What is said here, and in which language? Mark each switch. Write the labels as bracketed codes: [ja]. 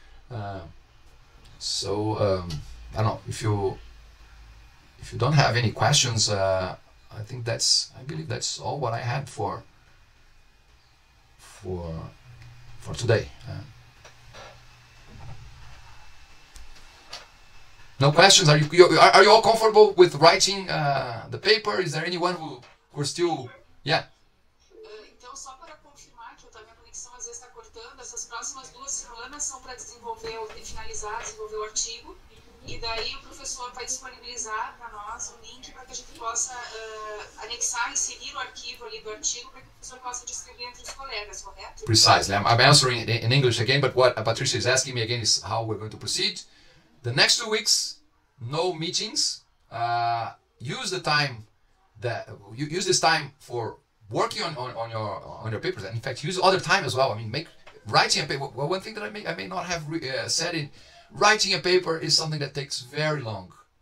[en] I don't know, if you don't have any questions, I believe that's all what I had for today. No questions? Are you all comfortable with writing the paper? Is there anyone who are still... Yeah. [pt] Então, só para confirmar que a minha conexão às vezes está cortando, essas próximas duas semanas são para desenvolver, finalizar, desenvolver o artigo. E daí o professor vai disponibilizar para nós o link para que a gente possa anexar, inserir o arquivo ali do artigo para que o professor possa distribuir entre os colegas, correto? [en] Precisely. I'm answering in English again, but what Patricia is asking me again is how we're going to proceed. The next 2 weeks, no meetings. Use this time for working on your papers. In fact, use other time as well. I mean, writing a paper. Well, one thing that I may not have said in writing a paper is something that takes very long.